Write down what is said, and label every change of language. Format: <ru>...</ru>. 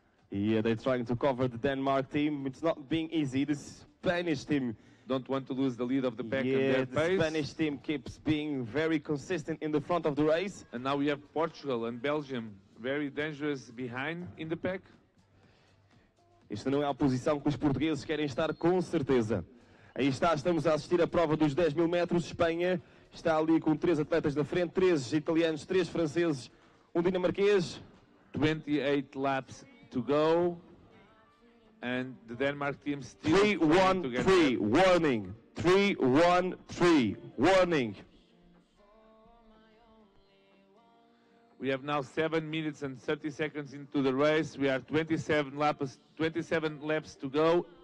<en>Yeah, they're trying to cover the Denmark team. It's not being easy. The Spanish team don't want to lose the lead of the pack in their the pace. Spanish team keeps being very consistent in the front of the race. And now we have Portugal and Belgium very dangerous behind in the pack.</en> <pt>Isto não é a posição que os portugueses querem estar, com certeza. Aí está, estamos a assistir à prova dos 10 mil metros, Espanha. Está ali com três atletas na frente, três italianos, três franceses, um dinamarquês.</pt> <en>28 laps to go. And the Denmark team still 3-1-3, warning. 3-1-3, warning. We have now 7 minutes and 30 seconds into the race. We are 27 laps to go.</en>